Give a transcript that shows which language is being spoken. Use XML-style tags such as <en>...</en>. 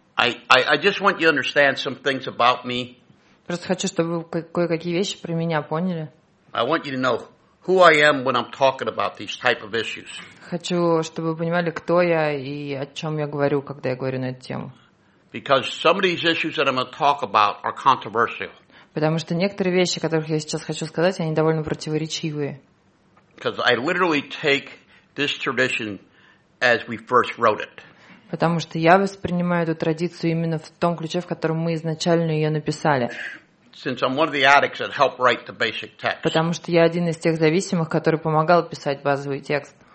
<en>I just want you to understand some things about me.</en> <ru>Просто хочу, чтобы вы кое-какие вещи про меня поняли.</ru> <en>I want you to know who I am when I'm talking about these type of issues.</en> <ru>Хочу, чтобы вы понимали, кто я и о чем я говорю, когда я говорю на эту тему.</ru> <en>Because some of these issues that I'm going to talk about are controversial.</en> <ru>Потому что некоторые вещи, о которых я сейчас хочу сказать, они довольно противоречивые.</ru> <en>Because I literally take this tradition as we first wrote it.</en> <ru>Потому что я воспринимаю эту традицию именно в том ключе, в котором мы изначально ее написали.</ru> <en>Since I'm one of the addicts that helped write the basic text.</en> <ru>Потому что я один из тех зависимых, который помогал писать базовый текст.</ru>